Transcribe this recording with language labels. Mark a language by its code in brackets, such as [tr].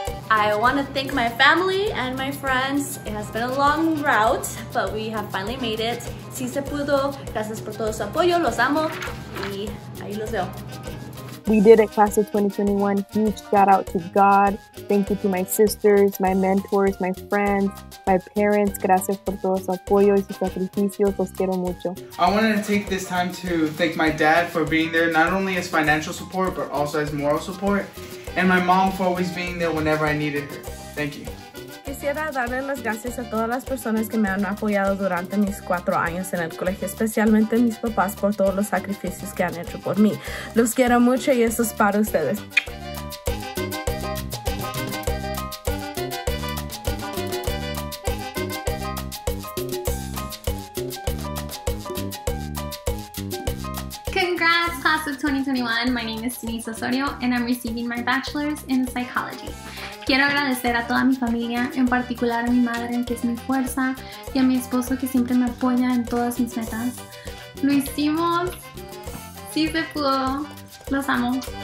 [en] I want to thank my family and my friends. It has been a long route, but we have finally made it. [es] Si se pudo, gracias por todo su apoyo. Los amo y ahí los veo. [en] We did it, class of 2021. Huge shout out to God. Thank you to my sisters, my mentors, my friends, my parents. [es] Gracias por todo su apoyo y sus sacrificios. Los quiero mucho. [en] I wanted to take this time to thank my dad for being there, not only as financial support, but also as moral support. And my mom for always being there whenever I needed her. Thank you. [es] Quisiera darle las gracias a todas las personas que me han apoyado durante mis 4 años en el colegio, especialmente mis papás por todos los sacrificios que han hecho por mí. Los quiero mucho y eso es para ustedes. [en] Congrats, class of 2021. My name is Denise Osorio and I'm receiving my bachelor's in psychology. [es] Quiero agradecer a toda mi familia, en particular a mi madre, que es mi fuerza, y a mi esposo, que siempre me apoya en todas mis metas. ¡Lo hicimos! ¡Sí se pudo! ¡Los amo!